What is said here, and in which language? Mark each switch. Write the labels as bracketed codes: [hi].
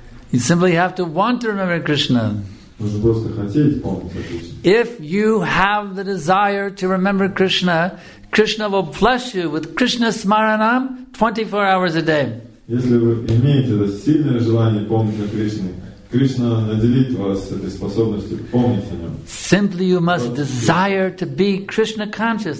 [en] You simply have to want to remember Krishna. If you have the desire to remember Krishna, Krishna will bless you with Krishna Smaranam 24 hours a day. [ru] Если вы имеете это сильное желание помнить о Кришне, Кришна наделит вас этой способностью помнить о нем. [en] Simply you must desire to be Krishna conscious.